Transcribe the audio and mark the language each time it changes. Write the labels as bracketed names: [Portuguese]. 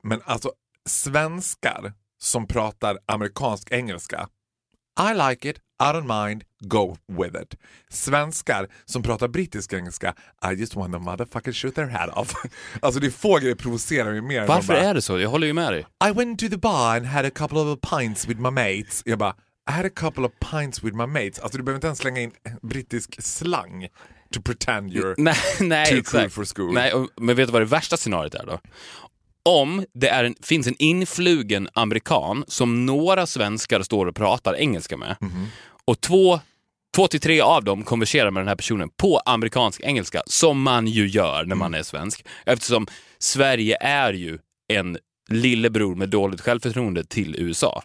[Swedish] Men alltså, svenskar som pratar amerikansk engelska, [English] I like it, I don't mind, go with it. [Swedish] Svenskar som pratar brittisk engelska, [English] I just want the motherfucker shoot their head off. [Swedish] Alltså det är få grejer provocerar mig mer. Varför är det så? Jag håller ju med dig. [English] I went to the bar and had a couple of pints with my mates. [Swedish] Jag bara, [English] I had a couple of pints with my mates. [Swedish] Alltså du behöver inte ens slänga in brittisk slang [English] to pretend you're too cool for school. [Swedish] Nej, men vet du vad det värsta scenariot är då? Om det är finns en influgen amerikan som några svenskar står och pratar engelska med och två till tre av dem konverserar med den här personen på amerikansk engelska, som man ju gör när man är svensk, eftersom Sverige är ju en lillebror med dåligt självförtroende till USA.